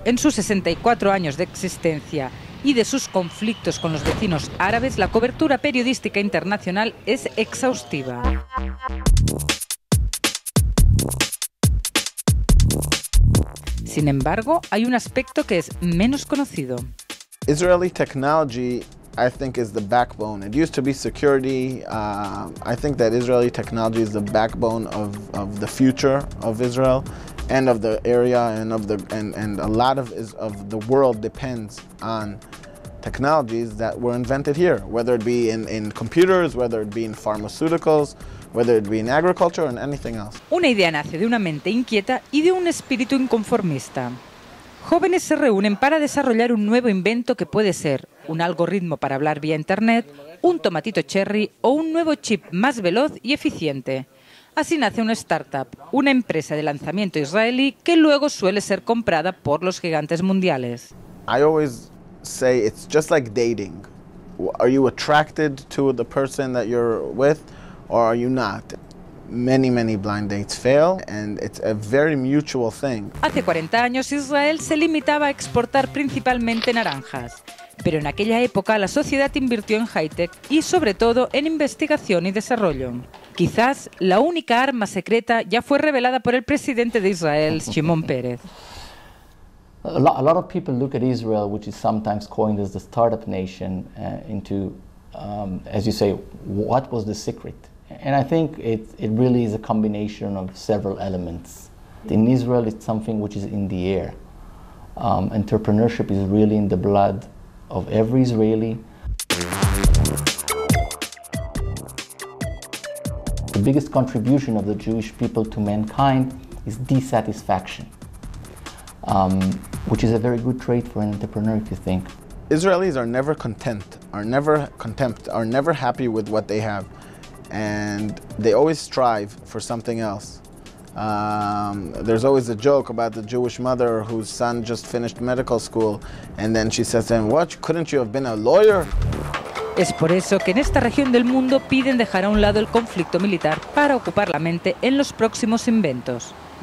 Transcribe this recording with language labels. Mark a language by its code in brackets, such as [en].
[es] En sus 64 años de existencia y de sus conflictos con los vecinos árabes, la cobertura periodística internacional es exhaustiva. Sin embargo, hay un aspecto que es menos conocido. [en] Israeli technology, I think, is the backbone. It used to be security. I think that Israeli technology is the backbone of the future of Israel and of the area and of the and a lot of the world depends on technologies that were invented here, whether it be in computers, whether it be in pharmaceuticals, whether it be in agriculture and anything else. [es] Una idea nace de una mente inquieta y de un espíritu inconformista. Jóvenes se reúnen para desarrollar un nuevo invento que puede ser un algoritmo para hablar vía internet, un tomatito cherry o un nuevo chip más veloz y eficiente. Así nace una startup, una empresa de lanzamiento israelí que luego suele ser comprada por los gigantes mundiales. [en] I always say it's just like dating. Are you attracted to the person that you're with or are you not? Many, many blind dates fail, and it's a very mutual thing. [es] Hace 40 años Israel se limitaba a exportar principalmente naranjas, pero en aquella época la sociedad invirtió en high-tech y sobre todo en investigación y desarrollo. Quizás la única arma secreta ya fue revelada por el presidente de Israel, Shimon Peres. [en] A lot of people look at Israel, which is sometimes coined as the startup nation, into, as you say, what was the secret? And I think it really is a combination of several elements. In Israel, it's something which is in the air. Entrepreneurship is really in the blood of every Israeli. The biggest contribution of the Jewish people to mankind is dissatisfaction, which is a very good trait for an entrepreneur, if you think. Israelis are never content, are never happy with what they have. And they always strive for something else. There's always a joke about the Jewish mother whose son just finished medical school, and then she says to him, "What? Couldn't you have been a lawyer?" [es] Es por eso que en esta región del mundo piden dejar a un lado el conflicto militar para ocupar la mente en los próximos inventos.